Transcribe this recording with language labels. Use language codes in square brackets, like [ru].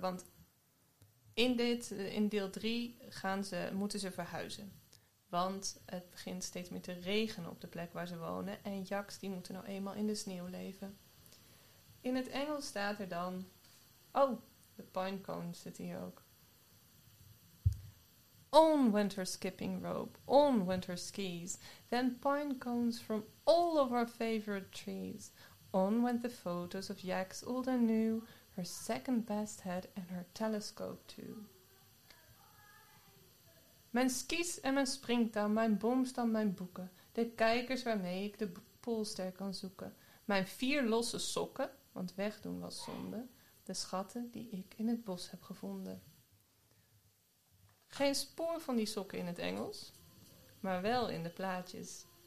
[nl] Want in deel 3 moeten ze verhuizen. Want het begint steeds meer te regenen op de plek waar ze wonen. En Jaks, die moeten nou eenmaal in de sneeuw leven. In het Engels staat er dan... Oh, de pinecone zit hier ook. [en] On went her skipping rope, on went her skis, then pine cones from all of our favorite trees. On went the photos of Jacks, old and new, her second best head and her telescope too. [nl] Mijn skis en mijn springtaal, mijn boomstam, mijn boeken, de kijkers waarmee ik de poolster kan zoeken. Mijn 4 losse sokken, want wegdoen was zonde, de schatten die ik in het bos heb gevonden. Geen spoor van die sokken in het Engels, maar wel in de plaatjes.